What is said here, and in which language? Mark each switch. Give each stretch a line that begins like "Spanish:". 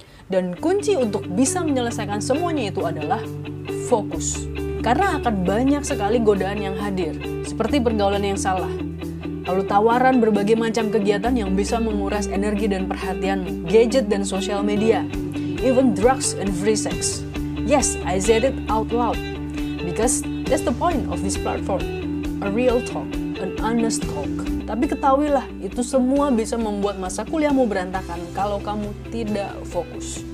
Indonesian: Dan kunci untuk bisa menyelesaikan semuanya itu adalah fokus. Karena akan banyak sekali godaan yang hadir, seperti pergaulan yang salah, lalu tawaran berbagai macam kegiatan yang bisa menguras energi dan perhatian, gadget dan social media,
English: even drugs and free sex. Yes, I said it out loud, because that's the point of this platform, a real talk, an honest talk.
Indonesian: Tapi ketahuilah, itu semua bisa membuat masa kuliahmu berantakan kalau kamu tidak fokus.